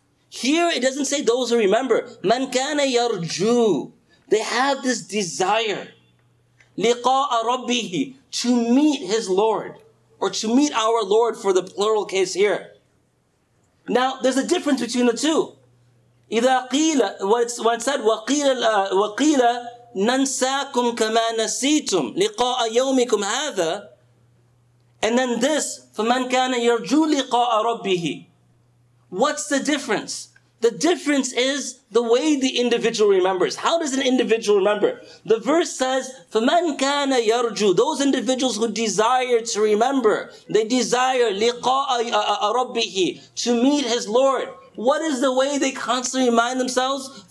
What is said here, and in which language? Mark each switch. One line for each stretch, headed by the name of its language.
English: Here it doesn't say those who remember.
Arabic: مَنْ كَانَ يَرْجُو,
English: they have this desire.
Arabic: لِقَاءَ رَبِّهِ,
English: to meet his Lord, or to meet our Lord for the plural case here. Now, there's a difference between the two.
Arabic: إِذَا قِيلَ,
English: when it said,
Arabic: وَقِيلَ نَنْسَاكُمْ كَمَا نَسِيتُمْ لِقَاءَ يَوْمِكُمْ هَذَا,
English: and then this,
Arabic: فَمَنْ كَانَ يَرْجُو لِقَاءَ رَبِّهِ,
English: what's the difference? The difference is the way the individual remembers. How does an individual remember? The verse says,
Arabic: فَمَنْ كَانَ يَرْجُو.
English: Those individuals who desire to remember, they desire
Arabic: لِقَاءَ رَبِّهِ,
English: to meet his Lord. What is the way they constantly remind themselves?